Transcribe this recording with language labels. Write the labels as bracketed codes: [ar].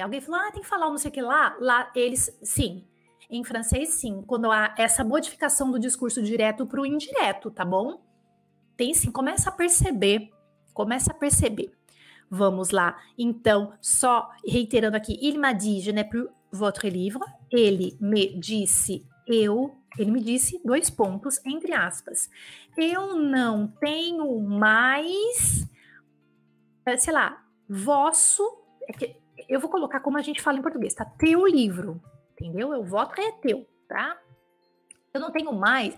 [pt] Alguém falou, ah, tem que falar não sei o que lá. Lá, eles, sim. Em francês, sim. Quando há essa modificação do discurso direto para o indireto, tá bom? Tem sim. Começa a perceber. Começa a perceber. Vamos lá. Então, só reiterando aqui. [fr] Il m'a dit, je n'ai plus votre livre. [pt] Ele me disse, eu... Ele me disse, dois pontos, entre aspas. Eu não tenho mais... Sei lá, vosso... É que, eu vou colocar como a gente fala em português, tá? Teu livro. Entendeu? O voto é teu, tá? Eu não tenho mais...